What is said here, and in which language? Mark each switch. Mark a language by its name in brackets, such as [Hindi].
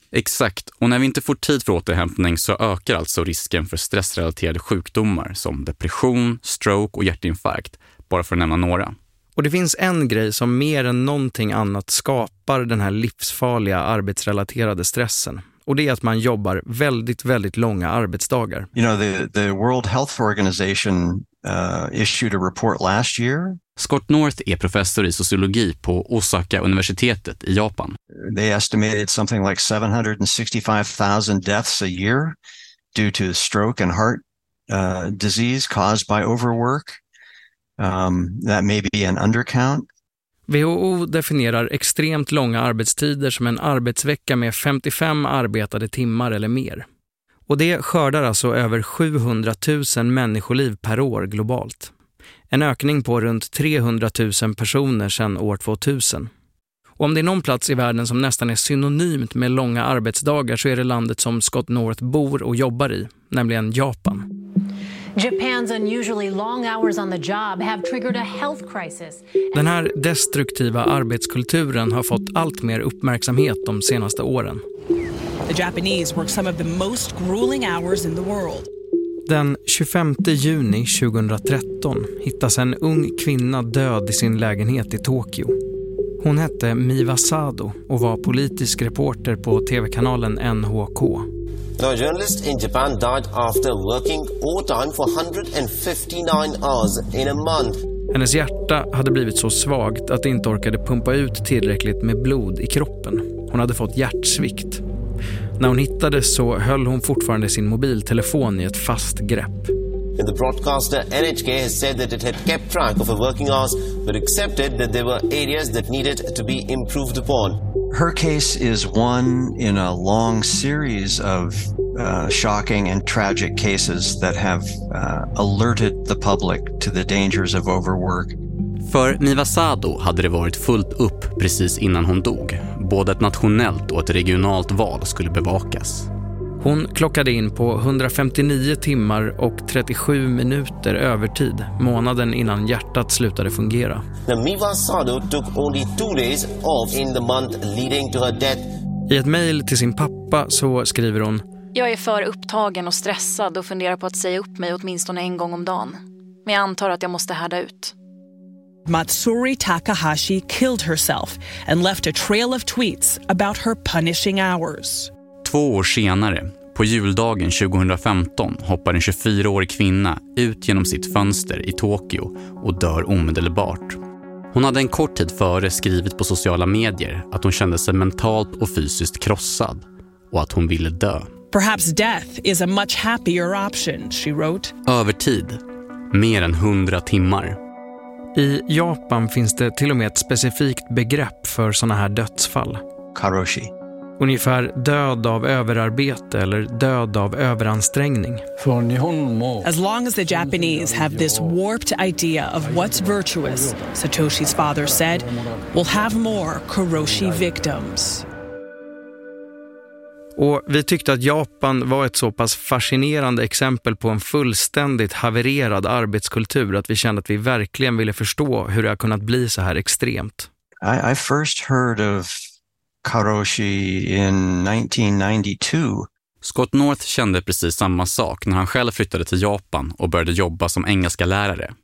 [Swedish] Exakt, och när vi inte får tid för återhämtning så ökar alltså risken för stressrelaterade sjukdomar som depression, stroke och hjärtinfarkt, bara för att nämna några. Och det finns en grej som mer än någonting annat skapar den här livsfarliga arbetsrelaterade stressen. Och det är att man jobbar väldigt, väldigt långa arbetsdagar. [English] You know, the World Health Organization issued a report last year. [Swedish] Scott North är professor i sociologi på Osaka universitetet i Japan. [English] They estimated something like 765,000 deaths a year due to stroke and heart disease caused by overwork. That may be an undercount. [Swedish] WHO definierar extremt långa arbetstider som en arbetsvecka med 55 arbetade timmar eller mer. Och det skördar alltså över 700 000 människoliv per år globalt. En ökning på runt 300 000 personer sedan år 2000. Och om det är någon plats i världen som nästan är synonymt med långa arbetsdagar så är det landet som Scott North bor och jobbar i, nämligen Japan. [English] Japan's unusually long hours on the job have triggered a health crisis. [Swedish] Den här destruktiva arbetskulturen har fått allt mer uppmärksamhet de senaste åren. [English] The Japanese work some of the most grueling hours in the world. [Swedish] Den 25 juni 2013 hittas en ung kvinna död i sin lägenhet i Tokyo. Hon hette Miwa Sado och var politisk reporter på TV-kanalen NHK. [English] A journalist in Japan died after working overtime for 159 hours in a month. [Swedish] Hennes hjärta hade blivit så svagt att det inte orkade pumpa ut tillräckligt med blod i kroppen. Hon hade fått hjärtsvikt. När hon hittades så höll hon fortfarande sin mobiltelefon i ett fast grepp. [English] In the broadcaster, NHK has said that it had kept track of her working hours, but accepted that there were areas that needed to be improved upon. Her case is one in a long series of shocking and tragic cases that have alerted the public to the dangers of overwork. [Swedish] För Niva Sado hade det varit fullt upp precis innan hon dog. Både ett nationellt och ett regionalt val skulle bevakas. Hon klockade in på 159 timmar och 37 minuter övertid månaden innan hjärtat slutade fungera. [English] Niva Sado took only 2 days off in the month leading to her death. [Swedish] I ett mejl till sin pappa så skriver hon: "Jag är för upptagen och stressad och funderar på att säga upp mig åtminstone en gång om dagen. Men jag antar att jag måste härda ut." [English] Matsuri Takahashi killed herself and left a trail of tweets about her punishing hours. [Swedish] 2 år senare, på juldagen 2015, hoppar en 24-årig kvinna ut genom sitt fönster i Tokyo och dör omedelbart. Hon hade en kort tid före skrivit på sociala medier att hon kände sig mentalt och fysiskt krossad och att hon ville dö. [English] Perhaps death is a much happier option, she wrote. [Swedish] Över tid, mer än 100 timmar. I Japan finns det till och med ett specifikt begrepp för såna här dödsfall. Karoshi. Ungefär död av överarbete eller död av överansträngning. [English] As long as the Japanese have this warped idea of what's virtuous, Satoshi's father said, we'll have more Karoshi victims. [Swedish] Och vi tyckte att Japan var ett så pass fascinerande exempel på en fullständigt havererad arbetskultur att vi kände att vi verkligen ville förstå hur det har kunnat bli så här extremt. [English] I first heard of Karoshi in 1992. [Swedish] Scott North kände precis samma sak när han själv flyttade till Japan och började jobba som engelska lärare.